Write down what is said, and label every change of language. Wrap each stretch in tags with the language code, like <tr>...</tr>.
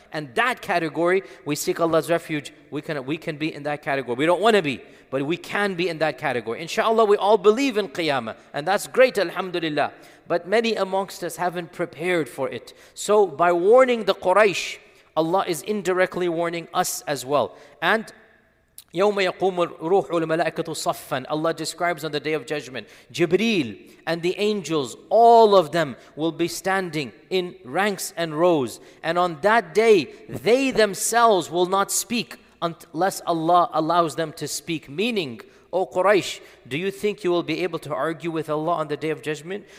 <en>And that category, we seek Allah's refuge. We can be in that category. We don't want to be, but we can be in that category. Inshallah, we all believe in Qiyamah. And that's great, alhamdulillah. But many amongst us haven't prepared for it. So by warning the Quraysh, Allah is indirectly warning us as well.</en> <ar>And يَوْمَ يَقُومُ الْرُوحُ الْمَلَائِكَةُ صَفًّا.</ar> <en>Allah describes on the Day of Judgment, Jibreel and the angels, all of them will be standing in ranks and rows. And on that day, they themselves will not speak unless Allah allows them to speak. Meaning, O Quraysh, do you think you will be able to argue with Allah on the Day of Judgment?</en>